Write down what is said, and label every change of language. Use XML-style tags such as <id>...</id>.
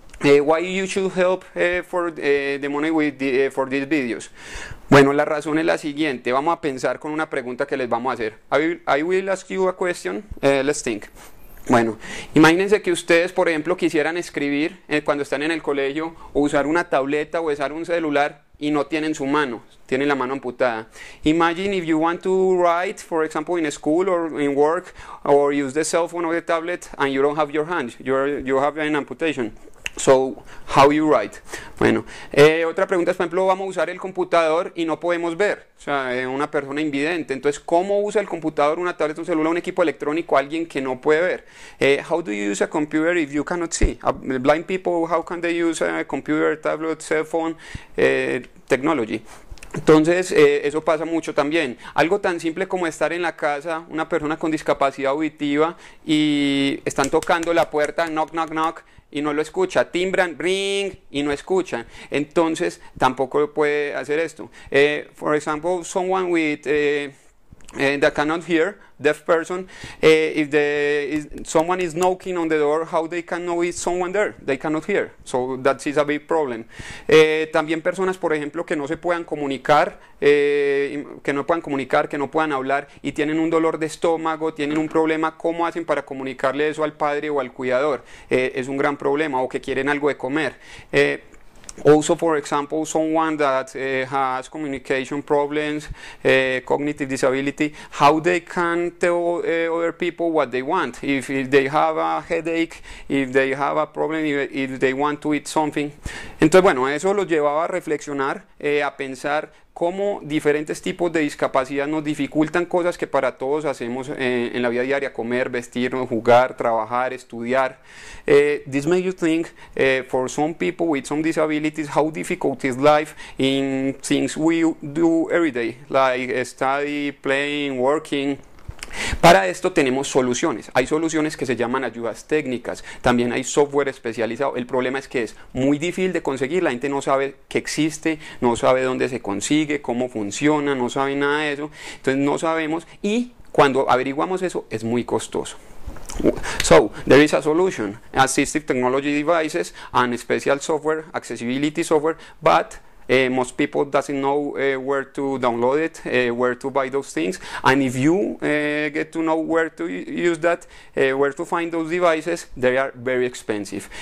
<en>Why you should help for the money with the, for these videos?</en> <es>Bueno, la razón es la siguiente. Vamos a pensar con una pregunta que les vamos a hacer.</es> <en>I will ask you a question. Let's think.</en> <es>Bueno, imagínense que ustedes, por ejemplo, quisieran escribir cuando están en el colegio o usar una tableta o usar un celular y no tienen su mano, tienen la mano amputada.</es> <en>Imagine if you want to write, for example, in school or in work or use the cell phone or the tablet and you don't have your hand, you have an amputation. So, how you write?</en> <es>Bueno, otra pregunta es, por ejemplo, vamos a usar el computador y no podemos ver, o sea, una persona invidente. Entonces, ¿cómo usa el computador, una tableta, un celular, un equipo electrónico, alguien que no puede ver?</es> <en>How do you use a computer if you cannot see? Blind people, how can they use a computer, tablet, cell phone, technology?</en> <es>Entonces, eso pasa mucho también. Algo tan simple como estar en la casa, una persona con discapacidad auditiva y están tocando la puerta, knock, knock, knock, y no lo escucha, timbran, ring, y no escuchan. Entonces, tampoco puede hacer esto.</es> <en>For example, someone with that cannot hear, deaf person, if someone is knocking on the door, how they can know it's someone there? They cannot hear. So that is a big problem.</en> <es>También personas, por ejemplo, que no se puedan comunicar, que no puedan hablar y tienen un dolor de estómago, tienen un problema, ¿cómo hacen para comunicarle eso al padre o al cuidador? Es un gran problema, o que quieren algo de comer.</es> <en>Also, for example, someone that has communication problems, cognitive disability, how they can tell other people what they want. If they have a headache, if they have a problem, if they want to eat something.</en> <es>Entonces, bueno, eso los llevaba a reflexionar, a pensar cómo diferentes tipos de discapacidad nos dificultan cosas que para todos hacemos en la vida diaria: comer, vestirnos, jugar, trabajar, estudiar.</es> <en>This makes you think, for some people with some disabilities, how difficult is life in things we do every day, like study, playing, working.</en> <es>Para esto tenemos soluciones. Hay soluciones que se llaman ayudas técnicas. También hay software especializado. El problema es que es muy difícil de conseguir. La gente no sabe que existe, no sabe dónde se consigue, cómo funciona, no sabe nada de eso. Entonces no sabemos y cuando averiguamos eso es muy costoso.</es> <en>So, there is a solution. Assistive technology devices and special software, accessibility software, but most people doesn't know where to download it, where to buy those things. And if you get to know where to use that, where to find those devices, they are very expensive.</en>